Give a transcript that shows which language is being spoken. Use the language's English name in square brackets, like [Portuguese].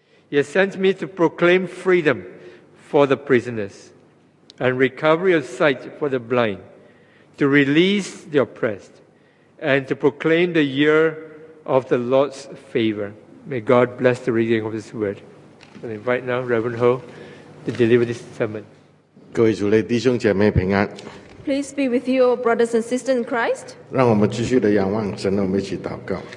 [English] He has sent me to proclaim freedom for the prisoners and recovery of sight for the blind, to release the oppressed, and to proclaim the year of the Lord's favor." May God bless the reading of his word. I invite now Reverend Ho to deliver this sermon. [Chinese] 各位主内弟兄姐妹平安。 [English] Please be with you, brothers and sisters in Christ. [Chinese] 让我们继续地仰望神，我们一起祷告。